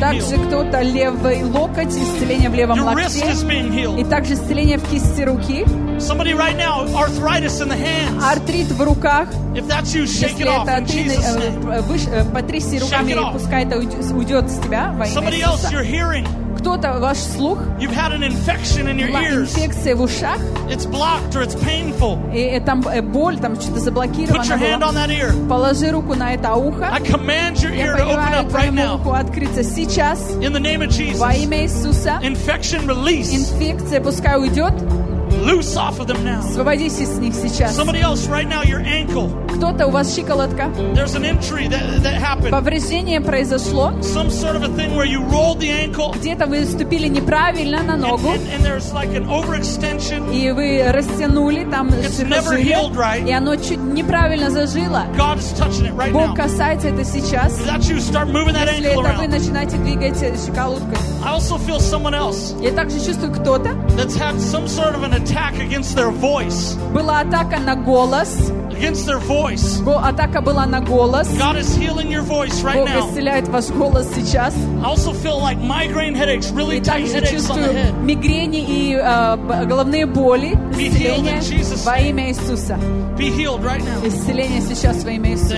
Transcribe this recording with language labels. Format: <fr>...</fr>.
<ru>Также кто-то левый локоть, исцеление в левом локте.</ru> <en>Your wrist is being healed.</en> <ru>И также исцеление в кисти руки.</ru> <en>Somebody right now, arthritis in the hands.</en> <ru>Артрит в руках.</ru> <en>If that's you, shake it off in Jesus' name.</en> <ru>Потряси руками, пускай это уйдет с тебя во имя Иисуса.</ru> <en>Somebody else, you're hearing.</en> <ru>Кто-то, ваш слух,</ru> <en>you've had an infection in your ears.</en> <ru>Инфекция в ушах.</ru> <en>It's blocked or it's painful.</en> <ru>И там боль, там что-то заблокировано.</ru> <en>Put your hand on that ear.</en> <ru>Положи руку на это ухо.</ru> <en>I command your ear to open up right now.</en> <ru>Руку открыться сейчас.</ru> <en>In the name of Jesus.</en> <ru>Во имя Иисуса.</ru> <en>Infection release.</en> <ru>Инфекция пускай уйдет.</ru> <en>Loose off of them now.</en> <ru>Освободись с них сейчас.</ru> <en>Somebody else, right now, your ankle.</en> <ru>Кто-то у вас щиколотка.</ru> <en>There's an injury that happened.</en> <ru>Повреждение произошло.</ru> <en>Some sort of a thing where you rolled the ankle.</en> <ru>Где-то вы ступили неправильно на ногу.</ru> <en>And there's like an overextension.</en> <ru>И вы растянули там.</ru> <en>It's never healed right.</en> <ru>И оно чуть неправильно зажило.</ru> <en>God is touching it right now.</en> <ru>Бог касается это сейчас.</ru> <en>Is that you? Start moving that ankle around.</en> <ru>Если это вы, начинаете двигать щиколоткой.</ru> <en>I also feel someone else.</en> <ru>Я также чувствую кто-то.</ru> <en>That's had some sort of an attack against their voice.</en> <ru>Была атака на голос.</ru> <en>Against their voice.</en> <ru>Атака была на голос.</ru> <en>God is healing your voice right now.</en> <ru>Бог исцеляет ваш голос сейчас.</ru> <en>I also feel like migraine headaches, really tight headaches on the head.</en> <ru>И также чувствую мигрени и головные боли.</ru> <en>Be healed in Jesus' name.</en> <ru>Во имя Иисуса.</ru> <en>Be healed right now.</en> <ru>Исцеление сейчас во имя Иисуса.</ru>